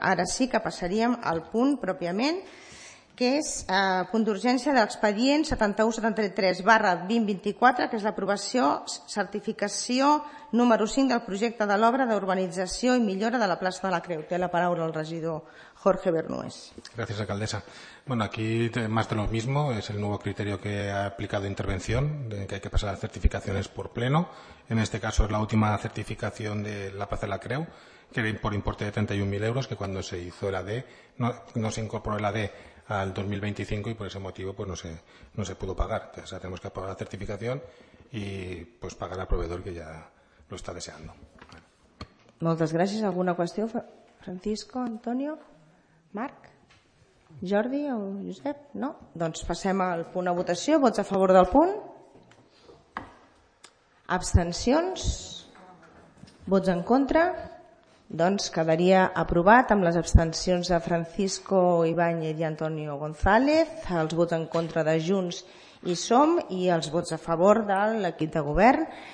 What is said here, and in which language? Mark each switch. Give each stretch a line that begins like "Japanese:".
Catalan: Ara sí que passaríem al punt pròpiament, que és punt d'urgència de l'expedient 7173/2024, que és l'aprovació certificació número 5 del projecte de l'obra d'urbanització i millora de la plaça de la Creu. Té la paraula el regidor Jorge Bernués. Gràcies, alcaldessa.
Spanish: Bueno, aquí más de lo mismo, es el nuevo criterio que ha aplicado intervención, de que hay que pasar a certificaciones por pleno. En este caso es la última certificación de la plaza de la Creu, que era por importe de 31.000 euros, que cuando se hizo el AD, no se incorporó el AD al 2025 y por ese motivo pues no se pudo pagar. Entonces ya tenemos que pagar la certificación y pues pagar al proveedor que ya lo está deseando.
Catalan: Bueno. Moltes gràcies.
Spanish: ¿Alguna cuestión, Francisco, Antonio, Marc? Jordi o Josep? No?
Catalan: Doncs passem al punt a votació. Vots a favor del punt? Abstencions? Vots en contra? Doncs quedaria aprovat amb les abstencions de Francisco Ibáñez i Antonio González, els vots en contra de Junts i Som i els vots a favor de l'equip de govern.